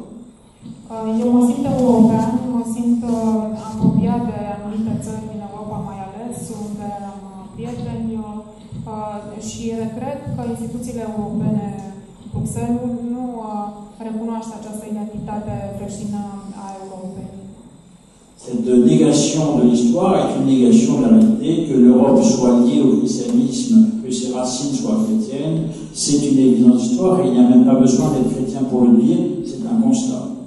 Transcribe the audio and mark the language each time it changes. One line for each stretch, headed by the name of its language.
French: Je me sens européen, je me sens apropié de certaines pays en Europe, en plus, où j'ai des
Romanian: prieteni. Și cred că instituțiile europene, Bruxelles, nu recunoaște această identitate creștină a Europei.
French: Cette négation de l'histoire est une négation de la réalité, que l'Europe soit liée au islamisme, que ses racines soient chrétiennes, c'est une évidence d'histoire, il n'y a même pas besoin d'être chrétien pour le dire, c'est un constat.